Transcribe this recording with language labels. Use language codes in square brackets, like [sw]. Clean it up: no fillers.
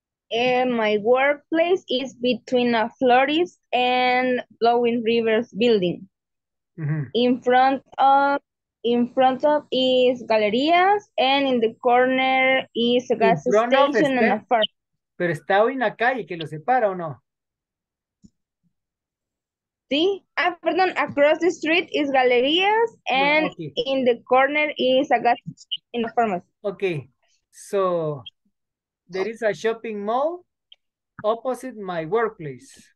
[en] My workplace is between a florist and Blowing Rivers building. In front of is galerías, and in the corner is a gas station and a farm. [es] Pero está hoy una calle que lo separa, ¿o no? Sí. [en] Across the street is galerías, and in the corner is a gas station and a pharmacy. Okay, so there is a shopping mall opposite my workplace.